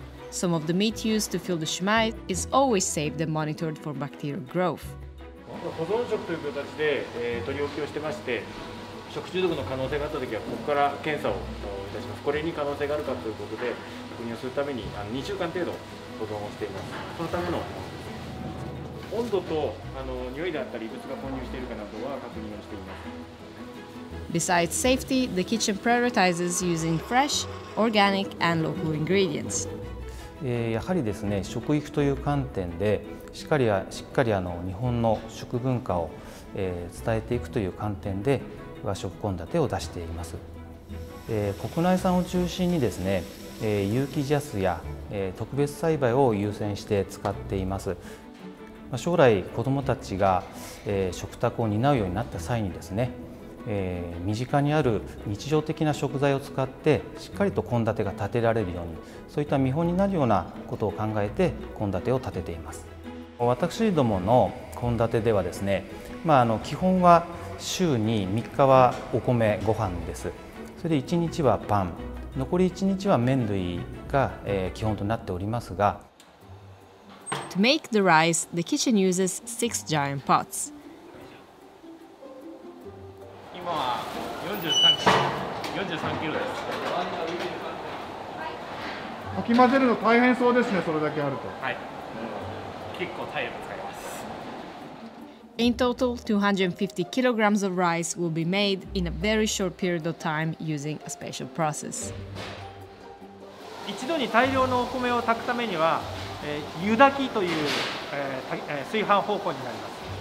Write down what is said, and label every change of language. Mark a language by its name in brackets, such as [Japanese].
[English] Some of the meat used to fill the shumai is always saved and monitored for bacterial growth. [Japanese] 保存食という形で取り置きをしてまして、食中毒の可能性があった時はここから検査をたします。これに可能性があるかということで確認をするために2週間程度保存をしています。そのための温度と匂いであったり異物が混入しているかなどは確認をしています。 [English] Besides safety, the kitchen prioritizes using fresh, organic, and local ingredients. [Japanese] やはりですね、食育という観点でしっかり日本の食文化を伝えていくという観点で和食献立を出しています。国内産を中心にですね、有機ジャスや特別栽培を優先して使っています。将来子どもたちが食卓を担うようになった際にですね、身近にある日常的な食材を使ってしっかりと献立が立てられるようにそういった見本になるようなことを考えて献立を立てています。私どもの献立ではですね、基本は週に3日はお米ご飯です。それで1日はパン、残り1日は麺類が基本となっておりますが、 [English] To make the rice, the kitchen uses 6 giant pots. [Japanese] 43kg です。かき混ぜるの大変そうですね、それだけあると。はい。結構体力使います。 [English] In total, 250kg of rice will be made in a very short period of time using a special process. [Japanese] 一度に大量のお米を炊くためには、湯炊きという、炊飯方法になります。